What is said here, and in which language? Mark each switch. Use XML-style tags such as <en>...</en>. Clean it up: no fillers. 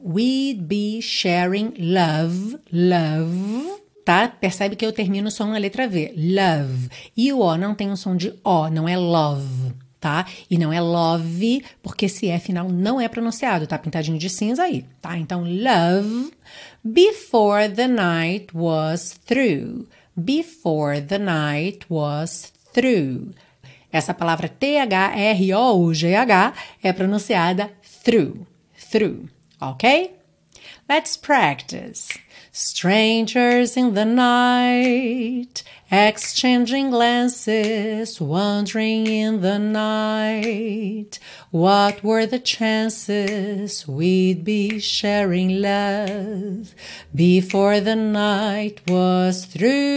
<en>We'd be sharing love. Love. Tá?</en> <pt>Percebe que eu termino só na letra V. Love. E o O não tem um som de O, não é love. Tá? E não é love, porque esse F final não é pronunciado, tá pintadinho de cinza aí, tá?</pt> <en>Então, love before the night was through. Before the night was through.</en> <pt>Essa palavra THROUGH é pronunciada through.</pt> <en>Through, ok? Let's practice. Strangers in the night, exchanging glances, wandering in the night. What were the chances we'd be sharing love before the night was through?</en>